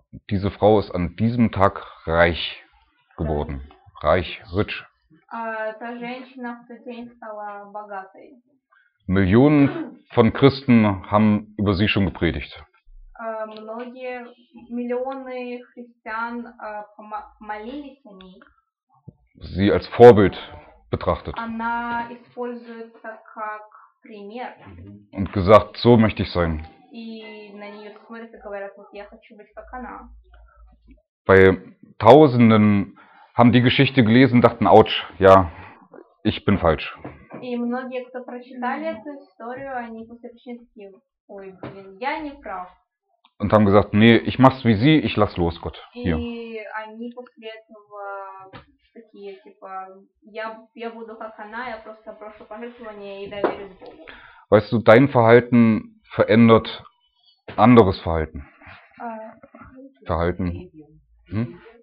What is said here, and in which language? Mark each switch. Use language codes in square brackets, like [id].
[de] Diese Frau ist an diesem Tag reich geworden. Reich, rich. [ru] Та женщина в тот день стала богатой. [de] Millionen von Christen haben über sie schon gepredigt. [ru] Многие миллионы христиан молились о ней. [de] Sie als Vorbild betrachtet. [ru] Она используется как пример. [de] Und gesagt, so möchte ich sein. [ru] И на нее смотрят и говорят, вот я хочу быть как она. [de] bei Tausenden haben die Geschichte gelesen, dachten, ouch, ja, ich bin falsch. [ru] И многие, кто прочитали эту историю, они после чтения, ой, блин, я не прав. [de] Und haben gesagt, nee, ich mach's wie sie, ich lass los, Gott. Hier. [ru] И они после этого такие, типа, я буду как она, я просто прошу пожертвования и доверюсь Богу. [de] Weißt du, dein Verhalten verändert anderes Verhalten. Verhalten.